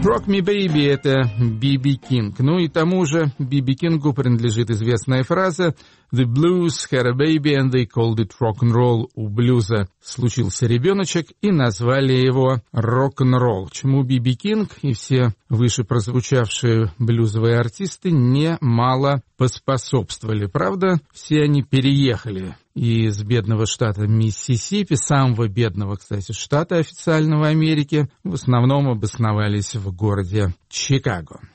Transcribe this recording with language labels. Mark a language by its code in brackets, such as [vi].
[ru] Me Baby — это Биби Кинг. Ну и тому же Биби Кингу принадлежит известная фраза [en] «The blues had a baby and they called it rock'n'roll». [ru] У блюза случился ребеночек и назвали его рок-н-ролл, чему Биби Кинг и все выше прозвучавшие блюзовые артисты немало поспособствовали. Правда, все они переехали из бедного штата Миссисипи, самого бедного, кстати, штата официально в Америке, в основном обосновались в городе Чикаго.